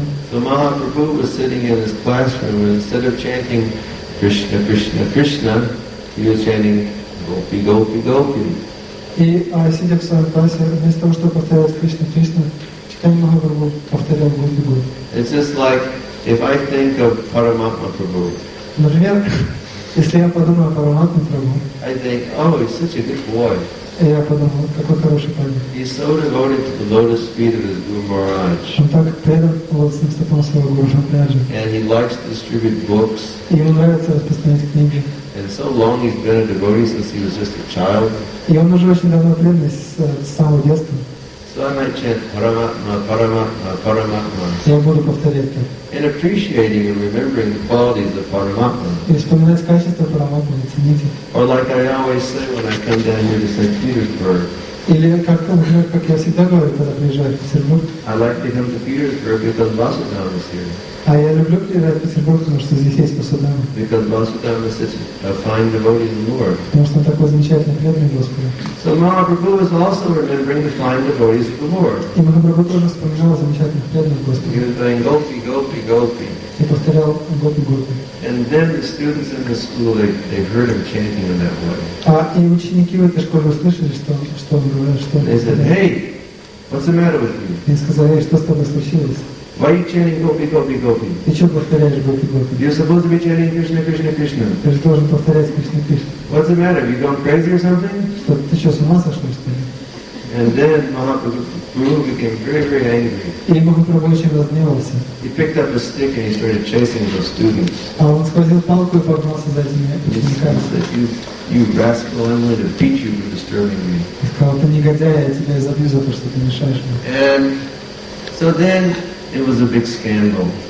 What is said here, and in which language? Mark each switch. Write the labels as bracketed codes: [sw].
[en] So Mahaprabhu was sitting in his classroom and instead of chanting Krishna, Krishna, Krishna, he was chanting Gopi, Gopi, Gopi. [ru] И сидя в своем классе, вместо того, чтобы повторять Кришна, Кришна, Чайтанья Махапрабху повторял Гопи, Гопи. [en] It's just like if I think of Paramatma Prabhu. [ru] Например, если я подумаю о Paramatma Prabhu. [en] I think, oh, he's such a good boy. [ru] Я подумал, какой хороший парень. [en] He's so devoted to the lotus feet of his Guru Maharaj. [ru] Он так предан лотосным стопам своего Гуру Махараджа. [en] And he likes to distribute books. [ru] И ему нравится распространять книги. [en] And so long he's been a devotee since he was just a child. [ru] И он уже очень давно предан с самого детства. [en] So I might chant Paramatma, Paramatma, Paramatma. [ru] Я буду повторять это. [en] And appreciating and remembering the qualities of Paramatma. [ru] И вспоминать качество Paramatma, оценить их. [en] Or like I always say when I come down here to St. Petersburg. [ru] Или как я всегда говорю, когда приезжаю в Петербург. [en] I like to come to Petersburg because Vasudhama is here. [ru] А я люблю приезжать в Петербург, потому что здесь есть Vasudhama. [en] Because Vasudhama is such a fine devotee of the Lord. [ru] Потому что он такой замечательный преданный Господа. [en] So Mahaprabhu is also remembering the fine devotees of the Lord. [ru] И Махапрабху тоже вспоминал замечательных преданных Господа. [en] He was saying Gopi, Gopi, Gopi. [ru] И повторял Гопи, Гопи. [en] And then the students in the school, they heard him chanting in that way. [ru] А и ученики в этой школе услышали, что он говорил, что... [en] They said, hey, what's the matter with you? [ru] И сказали, что с тобой случилось? [en] Why are you chanting Gopi, Gopi, Gopi? [ru] Ты что повторяешь Гопи, Гопи? [en] You're supposed to be chanting Krishna, Krishna, Krishna. [ru] Ты же должен повторять Krishna, Krishna. [en] What's the matter? Have you gone crazy or something? And then Mahaprabhu became very, very angry. He picked up a stick and he started chasing those students. [ru] Он схватил палку и погнался за этими учениками. [en] You rascal, I'm going to beat you for disturbing me. And so then it was a big scandal.